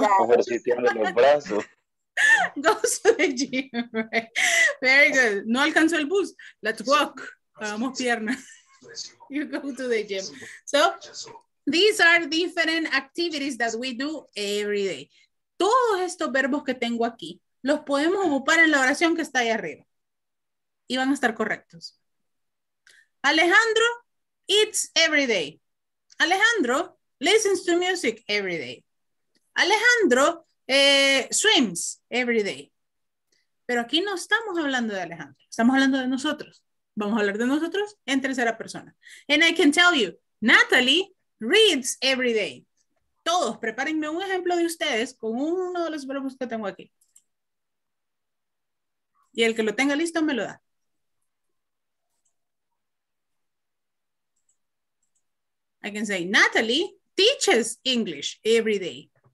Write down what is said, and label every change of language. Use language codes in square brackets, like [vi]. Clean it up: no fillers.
[es] Ejercitando los brazos. [en] Go to the gym, right? Very good. [es] No alcanzó el bus. [en] Let's walk. [es] Vamos pierna. [en] You go to the gym. So, these are different activities that we do every day. [es] Todos estos verbos que tengo aquí, los podemos ocupar en la oración que está ahí arriba. Y van a estar correctos. [en] Alejandro eats every day. Alejandro listens to music every day. Alejandro swims every day. [es] Pero aquí no estamos hablando de Alejandro. Estamos hablando de nosotros. Vamos a hablar de nosotros en tercera persona. [en] And I can tell you, Natalie reads every day. [es] Todos, prepárenme un ejemplo de ustedes con uno de los verbos que tengo aquí. Y el que lo tenga listo me lo da. [en] I can say, Natalie teaches English every day.